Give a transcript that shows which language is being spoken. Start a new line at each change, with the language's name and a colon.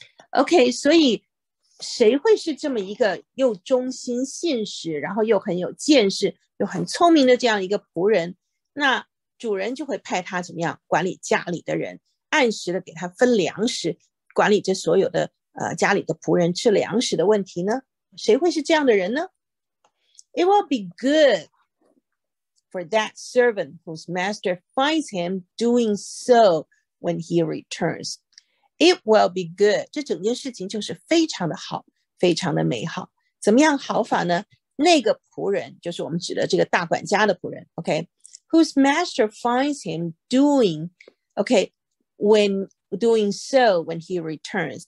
Chinese: OK, 所以谁会是这么一个又忠心信实，然后又很有见识又很聪明的这样一个仆人？那主人就会派他怎么样管理家里的人，按时的给他分粮食，管理这所有的家里的仆人吃粮食的问题呢？谁会是这样的人呢？
English: It will be goodfor that servant whose master finds him doing so when he returns. It will be good.
Chinese: 这整件事情就是非常的好，非常的美好。怎么样好法呢？那个仆人，就是我们指的这个大管家的仆人， OK,
English: whose master finds him doing, OK, when doing so when he returns.